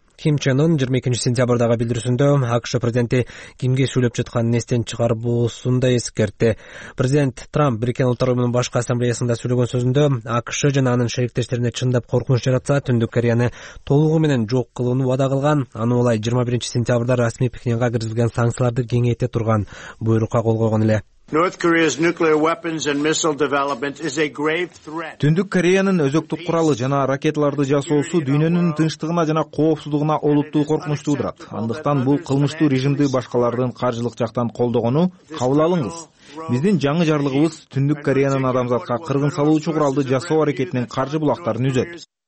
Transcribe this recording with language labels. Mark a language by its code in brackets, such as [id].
[ky] Ким Чен Ын 22 сентябрдагы билдирүүсүндө АКШ президенти кимге сүйлөп жатканын эстен чыгарбоосун да эскертти. Президент Трамп Бириккен Улуттар Уюмунун башкы ассамблеясында сүйлөгөн сөзүндө АКШ жана анын шериктештерине чындап коркунуч жаратса, Түндүк Кореяны толугу менен жок кылууну убада кылган, аны улай 21 сентябрда расмий Пхеньянга киргизилген санкцияларды кеңейте турган буйрукка кол койгон эле. [en] North Korea's nuclear weapons and missile development is a grave threat. [ky] Түндүк Кореянын өзөктүк куралы жана ракеталарды жасоосу дүйнөнүн тынчтыгына жана коопсуздугуна олуттуу коркунуч туудурат. Андыктан бул кылмыштуу режимди башкалардын каржылык жактан колдогону кабыл алыңыз. Биздин жаңы жарлыгыбыз Түндүк Кореянын адамзатка кыргын салуучу куралды жасоо аракетинин каржы булактарын үзөт.